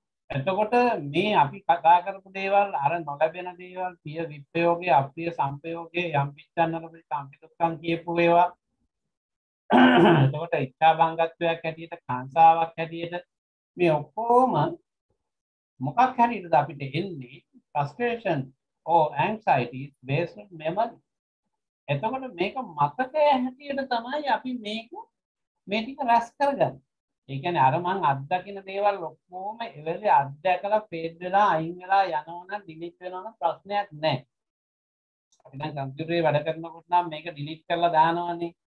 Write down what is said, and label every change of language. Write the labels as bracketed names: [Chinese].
[Sinhala] එතකොට මේ අපි කතා කරපු දේවල් අර නොලැබෙන දේවල් පිය විප්‍රයෝගේ අප්‍රිය සංපයෝගේ යම් පිටන්නනකොට සංපිතුක්ඛං කියපු ඒවා. එතකොට ඉච්ඡා භංගත්වයක් හැටියට කාංසාවක් හැටියට මේ ඔක්කොම මොකක් හැටියටද අපිට එන්නේ? [English] frustration or anxiety based on memory. [Sinhala] එතකොට මේක මතකයේ හැටියට තමයි අපි මේක මේ ටික රැස් කරගන්නේ. ඒ කියන්නේ අර මං අත්දකින දේවල් ඔක්කොම එවලේ අත්දැකලා ෆේඩ් වෙලා අයින් වෙලා යනවන ඩිලීට් වෙනවන ප්‍රශ්නයක් නැහැ. අපි දැන් කම්පියුටරේ වැඩ කරනකොට නම් මේක ඩිලීට් කරලා දානවනේ.